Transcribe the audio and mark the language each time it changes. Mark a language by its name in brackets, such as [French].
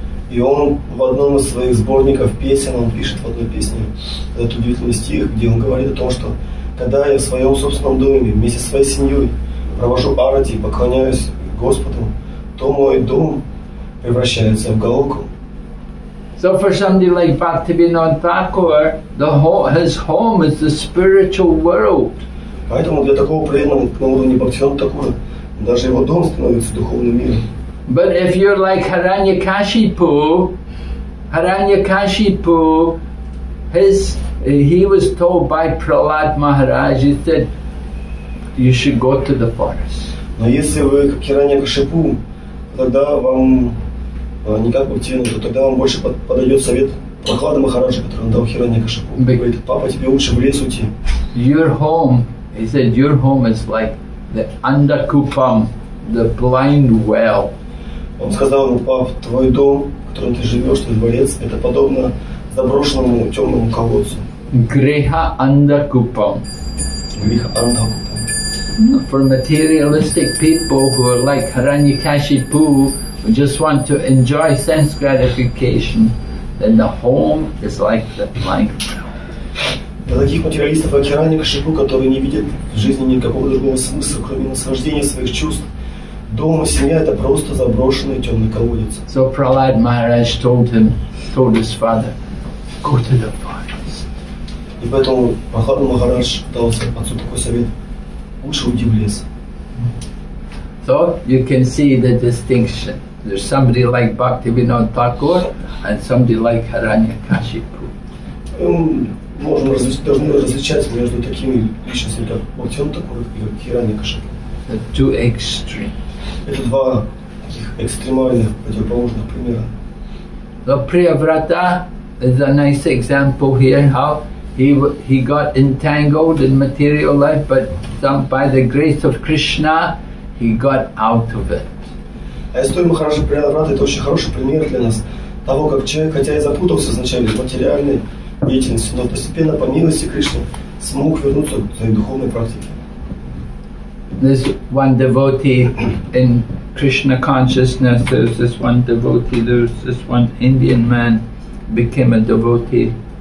[Russian] И он в одном из своих сборников песен, он пишет в одной песне этот удивительный стих, где он говорит о том, что когда я в своем собственном доме вместе со своей семьей провожу арати и поклоняюсь Господу, то мой дом превращается в галоку. [English] So for somebody like Bhaktivinoda Thakur, his home is the spiritual world. [Russian] Поэтому для такого преданного, на уровне Бхактивинода Такура, даже его дом становится духовным миром. [English] But if you're like Hiranyakashipu, Hiranyakashipu, he was told by Prahlad Maharaj, he said, you should go to the forest. [Russian] Но если вы как Hiranyakashipu, тогда вам не как Бхактивинода, то тогда вам больше подойдет совет Прахлада Махараджа, который он дал Hiranyakashipu. Он говорит, папа, тебе лучше в лес уйти. [English] Your home, he said, your home is like the Andakupam, the blind well. [Russian] Он сказал ему, пап, твой дом, в котором ты живешь, твой дворец, это подобно заброшенному темному колодцу. [Sanskrit] Греха андакупам. Греха андакупам. [English] For materialistic people who are like Hiranyakashipu, who just want to enjoy sense gratification, then the home is like the blind well. [Russian] Для таких материалистов, как Hiranyakashipu, которые не видят в жизни никакого другого смысла, кроме наслаждения своих чувств, дом и семья – это просто заброшенный темный колодец. [English] So Prahlad Maharaj told his father, go to the forest. [Russian] И поэтому Прахлада Махарадж дал отцу такой совет, лучше уйди в лес. [English] So you can see the distinction. There's somebody like Bhaktivinoda Thakur and somebody like Hiranyakashipu. [Russian] Должны различать между такими личностями, как Бхактивинода Такур и Hiranyakashipu. [English] The two extremes. [Russian] Это два таких экстремальных противоположных примера. [English] The Priyavrata is a nice example here how he got entangled in material life, but by the grace of Krishna he got out of it. [Russian] А история Махараджа Приаврата это очень хороший пример для нас того, как человек, хотя и запутался изначально в материальной деятельности, но постепенно по милости Кришны смог вернуться к своей духовной практике. [English] this one devotee in Krishna consciousness, there's this one devotee, there's this one Indian man became a devotee.